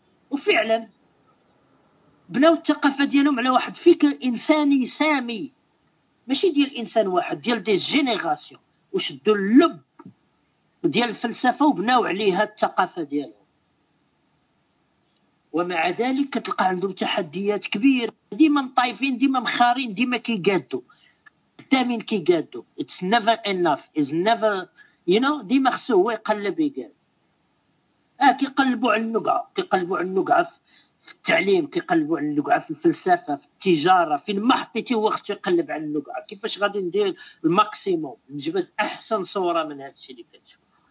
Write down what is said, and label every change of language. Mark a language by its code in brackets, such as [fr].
[ar] وفعلا بنوا الثقافه ديالهم على واحد فكر انساني سامي، ماشي ديال انسان واحد، ديال دي جينيراسيون، وشدوا اللب ديال الفلسفه وبنوا عليها الثقافه ديالهم. ومع ذلك كتلقى عندهم تحديات كبيره، ديما مطايفين، ديما مخارين، ديما كيقادوا دامين كيقادوا. [en] It's never enough, it's never, you know، [ar] ديما خصو هو يقلب يقاد. كيقلبوا على النقعه، كيقلبوا على النقعه في التعليم، كيقلبوا على النقعه في الفلسفه، في التجاره، فين ما حطيتي هو خصو يقلب على النقعه، كيفاش غادي ندير الماكسيموم، نجبد احسن صوره من هذا الشيء اللي كتشوف.